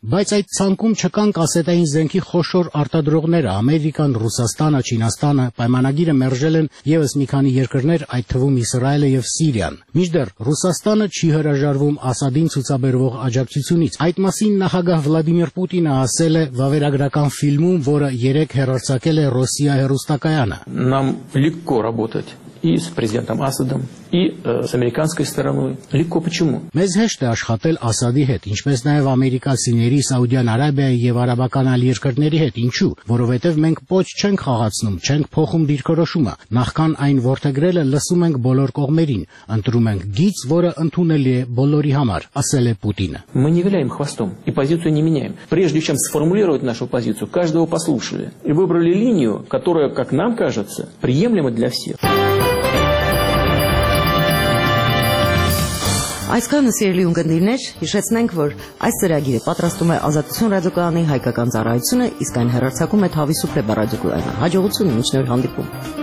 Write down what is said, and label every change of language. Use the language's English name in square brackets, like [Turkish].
[Armenian] բայց այդ ցանկում չկան կասետային զենքի խոշոր արտադրողները՝ Ամերիկան, Ռուսաստանը, Չինաստանը, պայմանագիրը մերժել են եւս մի քանի երկրներ, այդ թվում Իսրայելը եւ Սիրիան։ Միջդեռ Ռուսաստանը չի հրաժարվում Ասադին ցուցաբերվող աջակցությունից։ Այդ մասին նախագահ Վլադիմիր Պուտինը ասել է վավերագրական ֆիլմում, որը 3 հեռարձակել է Ռոսիա հեռուստակայանը։ [Russian] Нам легко работать и с президентом Асадом, и с американской стороной. Легко почему? [Armenian] Մեզ հեշտ է աշխատել Ասադի հետ, ինչպես նաև ամերիկացիների, Սաուդյան Արաբիայի եւ արաբական այլ երկրների հետ, ինչու՞, որովհետեւ մենք ոչ չենք խաղացնում, չենք փոխում դիրքորոշումը, նախքան այն որթեգրելը լսում ենք բոլոր կողմերին, ընտրում ենք գիծ, որը ընդունելի է բոլորի համար, ասել է Պուտինը։ [Russian] Мы не виляем хвостом и позицию не меняем. Прежде чем сформулировать нашу позицию, каждого послушали и выбрали линию, которая, как нам кажется, приемлема для всех. [Armenian] Այսքան սիրելի ուղդիներ, հիշեցնենք, որ այս ծրագիրը պատրաստում է Ազատություն ռադիոկանալի հայկական ծառայությունը, իսկ այն հեռարձակում է Թավիսուփե բարաձգուանը։ Հաջողություն, միջնորդ հանդիպում։